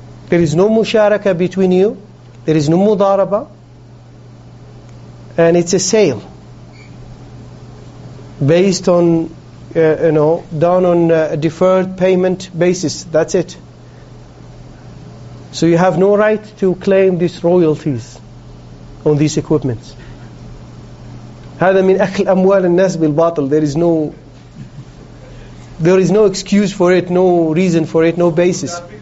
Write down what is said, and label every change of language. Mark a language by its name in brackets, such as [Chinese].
[English] There is no musharaka between you. There is no mudaraba. And it's a sale. Based on, done on a deferred payment basis. That's it. So you have no right to claim these royalties on these equipments. [Arabic] هذا من أكل أموال الناس بالباطل. [English] There is no excuse for it, no reason for it, no basis.